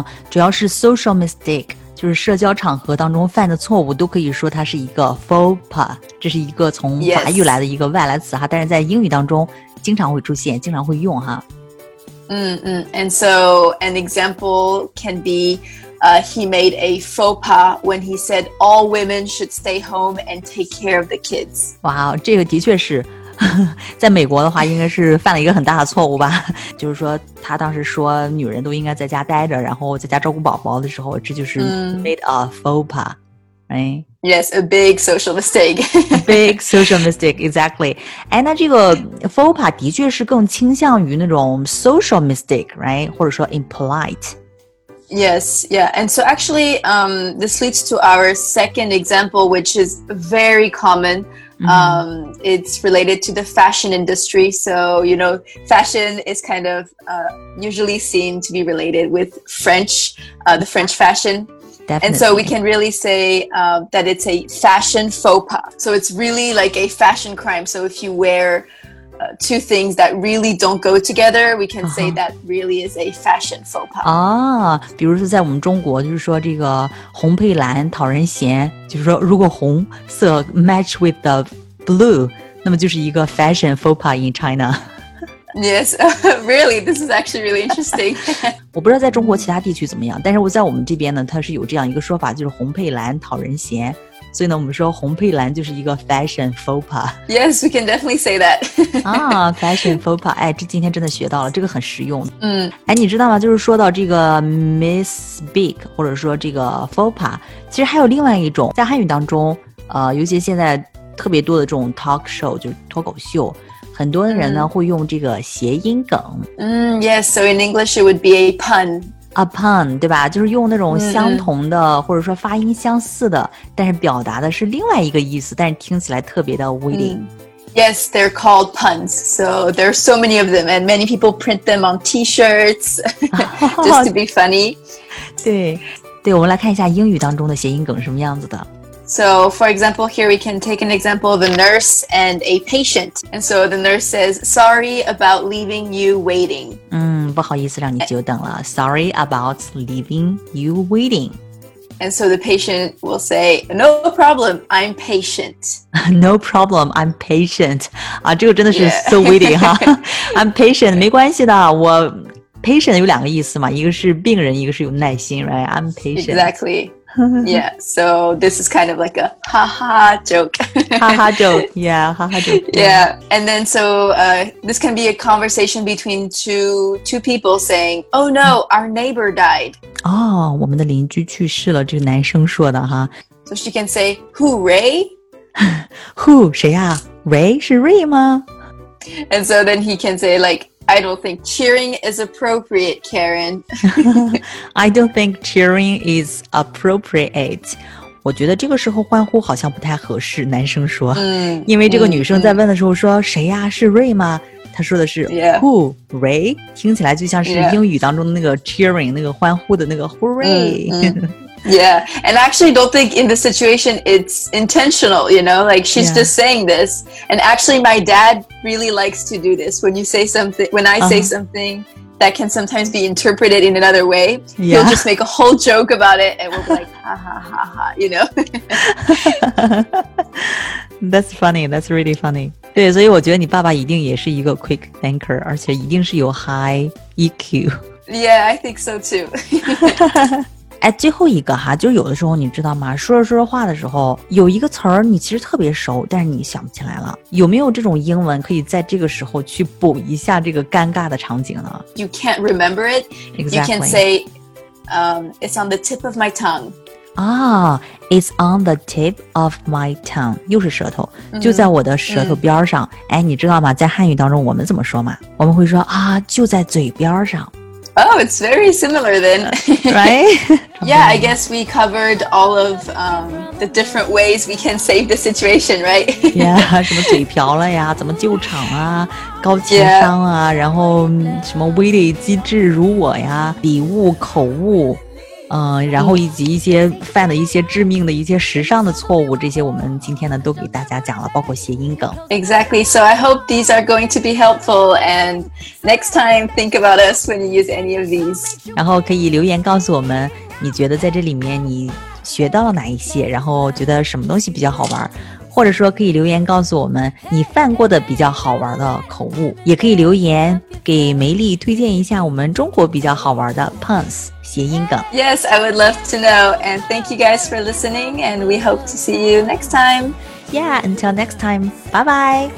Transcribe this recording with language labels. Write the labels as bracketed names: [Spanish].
[Chinese] 主要是 [English] social mistake, [Chinese] 就是社交场合当中犯的错误都可以说它是一个 faux pas， 这是一个从法语来的一个外来词哈， [English] yes. [Chinese] 但是在英语当中经常会出现，经常会用哈。 [English] And so an example can be、he made a faux pas when he said all women should stay home and take care of the kids. [Chinese] 哇、wow, 这个的确是在美国的话应该是犯了一个很大的错误吧，就是说他当时说女人都应该在家待着，然后在家照顾宝宝的时候，这就是 [English] made a faux pas、right? Yes, a big social mistake. A big social mistake, exactly. [Chinese] 哎，那这个 faux pas 的确是更倾向于那种 [English] social mistake, right? [Chinese] 或者说 impolite. [English] Yes, yeah. And so actually, this leads to our second example, which is very commonMm-hmm. It's related to the fashion industry. So, you know, fashion is kind of usually seen to be related with French, the French fashion. Definitely. And so we can really say that it's a fashion faux pas. So it's really like a fashion crime. So if you wear two things that really don't go together, we can say that really is a fashion faux pas. [Chinese] 啊，比如说在我们中国，就是说这个红配蓝讨人嫌，就是说如果红色 [English] match with the blue, [Chinese] 那么就是一个 [English] fashion faux pas in China. Yes, really, this is actually really interesting. [Chinese] 我不知道在中国其他地区怎么样，但是我在我们这边呢，它是有这样一个说法，就是红配蓝讨人嫌。所以呢，我们说红配蓝就是一个 [English] fashion faux pas. Yes, we can definitely say that. [Chinese] 啊 ， [English] fashion faux pas， [Chinese] 哎，这今天真的学到了，这个很实用。嗯，哎，你知道吗？就是说到这个 misspeak， 或者说这个 faux pas， 其实还有另外一种，在汉语当中，尤其现在特别多的这种 [English] talk show， [Chinese] 就是脱口秀，很多人呢、会用这个谐音梗。 [English] Yes. So in English, it would be a pun. A pun, [Chinese] 对吧？就是用那种相同的、或者说发音相似的，但是表达的是另外一个意思，但是听起来特别的 witty.、 [English] Yes, they're called puns. So there are so many of them, and many people print them on T-shirts just to be funny. 对，对，我们来看一下英语当中的谐音梗什么样子的。 So, for example, here we can take an example of a nurse and a patient. And so the nurse says, sorry about leaving you waiting. [Chinese] 不好意思让你久等了。 [English] Sorry about leaving you waiting. And so the patient will say, no problem, I'm patient. No problem, I'm patient. [Chinese] 啊，这个真的是 [English] so witty, [Chinese] 哈。 [English] I'm patient, [Chinese] 没关系的，我 patient 有两个意思嘛，一个是病人，一个是有耐心， right? [English] I'm patient. Exactly. Yeah, so this is kind of like a ha-ha joke. Ha-ha joke, yeah, ha-ha joke. Yeah, and then so this can be a conversation between two people saying, oh no, our neighbor died. [Chinese] Oh, 我们的邻居去世了，这个男生说的哈。 [English] So she can say, who, Ray? Who, [Chinese] 谁啊 Ray, 是 Ray 吗 [English] And so then he can say like,I don't think cheering is appropriate, Karen. I don't think cheering is appropriate. [Chinese] 我觉得这个时候欢呼好像不太合适，男生说。因为这个女生在问的时候说谁呀、啊、是 Ray 吗她说的是 [English] who, Ray? [Chinese] 听起来就像是英语当中的那个 cheering, 那个欢呼的那个 hooray. [English] Yeah, and I actually don't think in this situation it's intentional, you know, like she's just saying this. And actually my dad really likes to do this when you say something, when I say something that can sometimes be interpreted in another way, he'll just make a whole joke about it and we'll be like, ha ha ha ha, you know? That's funny, that's really funny. [Chinese] 对，所以我觉得你爸爸一定也是一个 [English] quick thinker, [Chinese] 而且一定是有 [English] high EQ. Yeah, I think so too. [Chinese] 哎，最后一个哈，就有的时候你知道吗？说着说着话的时候，有一个词儿你其实特别熟，但是你想不起来了。有没有这种英文可以在这个时候去补一下这个尴尬的场景呢 [English] ？You can't remember it. Exactly. You can say, it's on the tip of my tongue. Ah, it's on the tip of my tongue. [Chinese] 又是舌头，就在我的舌头边上。 Mm-hmm. 哎，你知道吗？在汉语当中，我们怎么说吗？我们会说啊，就在嘴边上。 [English] Oh, it's very similar then. Right? Yeah, I guess we covered all of the different ways we can save the situation, right? [Chinese] Yeah, 什么嘴瓢了呀，怎么救场啊，高情商啊，然后什么威力机智如我呀，礼物口误，然后以及一些犯的一些致命的一些时尚的错误，这些我们今天呢都给大家讲了，包括谐音梗。 [English] Exactly. So I hope these are going to be helpful. And next time, think about us when you use any of these. [Chinese] 然后可以留言告诉我们你觉得在这里面你学到了哪一些，然后觉得什么东西比较好玩，或者说可以留言告诉我们你犯过的比较好玩的口误，也可以留言给梅丽推荐一下我们中国比较好玩的 puns 谐音梗。 [English] Yes, I would love to know. And thank you guys for listening. And we hope to see you next time. Yeah, until next time. Bye bye.